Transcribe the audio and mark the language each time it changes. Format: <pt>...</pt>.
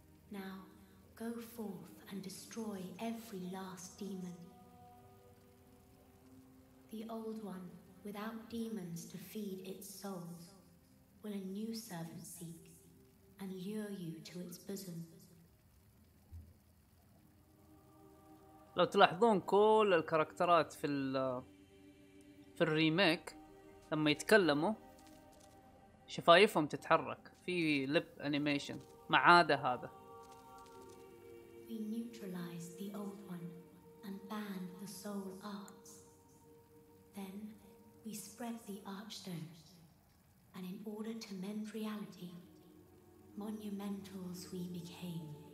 <en>Now, go forth and destroy every last demon. The Old One, without demons to feed its souls, will a new servant seek and lure you to its bosom.</en> <ar>لو تلاحظون كل الكاركترات في الريميك لما يتكلموا شفايفهم تتحرك في ليب انيميشن ما عدا هذا.</ar> <en>We neutralize the old one and ban the soul arts. Then we spread the archstones, and in order to mend reality, monumentals we became.</en>